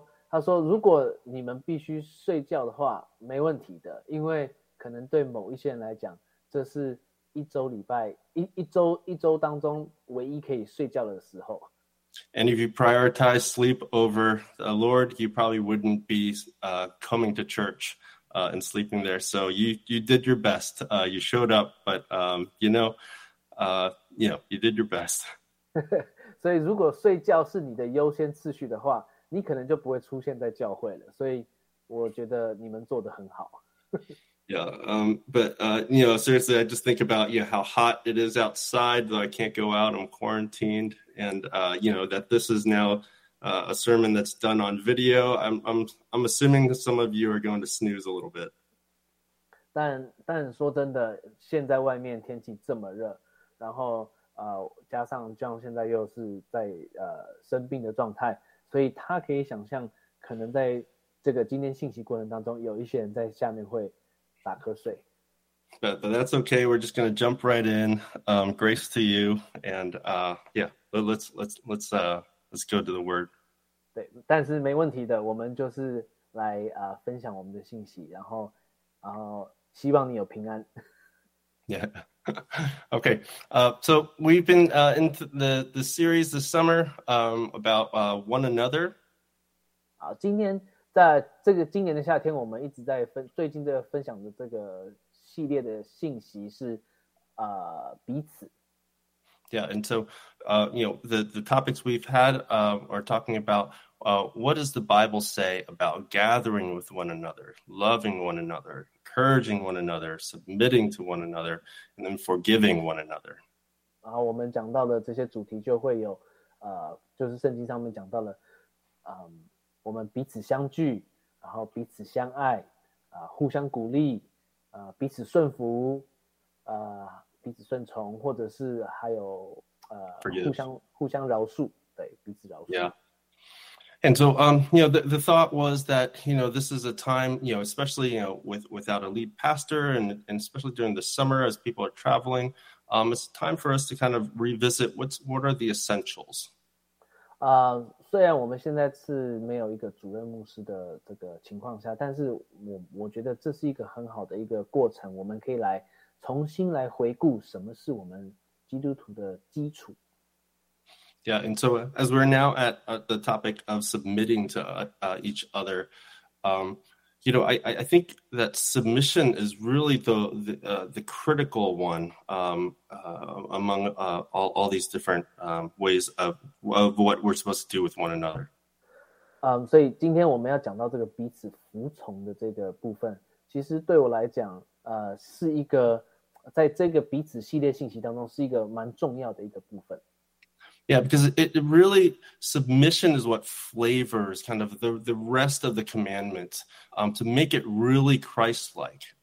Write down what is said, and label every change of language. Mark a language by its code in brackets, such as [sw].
[zh] 他说如果你们必须睡觉的话，没问题的，因为可能对某一些人来讲，这是一周礼拜一周当中唯一可以睡觉的时候。 [en] And if you prioritize sleep over the Lord, you probably wouldn't be coming to church and sleeping there. So you did your best. You showed up, but you did your best. [zh] 所以如果睡觉是你的优先次序的话，你可能就不会出现在教会了。所以我觉得你们做得很好。 [en] Yeah, but, you know, seriously, I just think about, you know, how hot it is outside, though I can't go out, I'm quarantined, and, you know, that this is now a sermon that's done on video. I'm assuming that some of you are going to snooze a little bit. [zh] 但说真的，现在外面天气这么热，然后加上 John 现在又是在生病的状态，所以他可以想象可能在这个今天信息过程当中有一些人在下面会 [en] But that's okay. We're just going to jump right in. Grace to you, and let's go to the word. [zh] 对，但是没问题的，我们就是来分享我们的信息，然后希望你有平安。 [en] Yeah. Okay. So we've been into the series this summer about one another. [zh] 好，今天。在这个今年的夏天，我们一直在最近这个分享的这个系列的信息是，彼此。 [en] Yeah, and so, you know, the topics we've had are talking about what does the Bible say about gathering with one another, loving one another, encouraging one another, submitting to one another, and then forgiving one another. [zh] 然后我们讲到的这些主题就会有，就是圣经上面讲到了，我们彼此相聚，然后彼此相爱，互相鼓励，彼此顺服，彼此顺从，或者是还有互相饶恕，对，彼此饶恕。 [en] Yeah. And so, you know, the thought was that, you know, this is a time, you know, especially, you know, without a lead pastor and especially during the summer as people are traveling, it's time for us to kind of revisit what are the essentials. [zh] 虽然我们现在是没有一个主任牧师的这个情况下，但是我觉得这是一个很好的一个过程，我们可以来重新来回顾什么是我们基督徒的基础。 [en] Yeah, and so as we're now at the topic of submitting to each other, you know, I think that submission is really the critical one among all these different ways of what we're supposed to do with one another. [zh] 所以今天我们要讲到这个彼此服从的这个部分，其实对我来讲，是一个在这个彼此系列信息当中是一个蛮重要的一个部分。 [en] Yeah, because it really, submission is what flavors kind of the rest of the commandments to make it really Christ-like.